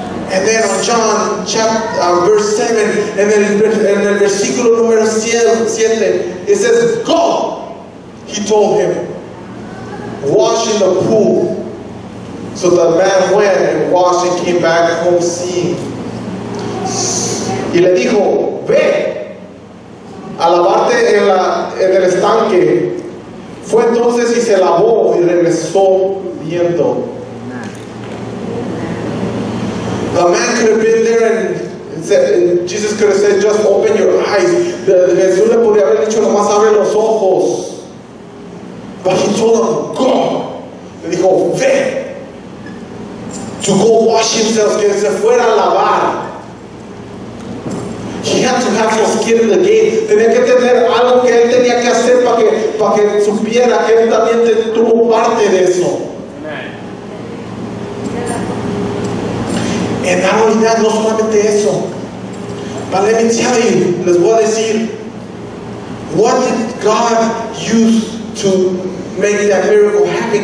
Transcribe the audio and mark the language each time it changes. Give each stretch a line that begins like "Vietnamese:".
English: And then on John chapter verse 7, and then in the versículo número 7, it says, go, he told him, wash in the pool. So the man went and washed and came back home seeing.
Spanish: Y le dijo, ve a lavarte en, la, en el estanque. Fue entonces y se lavó y regresó viendo.
English: The man could have been there and said, and Jesus could have said, just open your eyes.
Spanish: Jesús le podría haber dicho, nomás abre los ojos.
English: But he told him, go.
Spanish: Le dijo, ve.
English: To go wash himself,
Spanish: que se fuera a lavar.
English: He had to have some skin in the game.
Spanish: Tenía que tener algo que él tenía que hacer para que, pa que supiera que él también tuvo parte de eso. En la realidad, no solamente eso. Para iniciar, les voy a decir,
English: what did God use to make that miracle happen?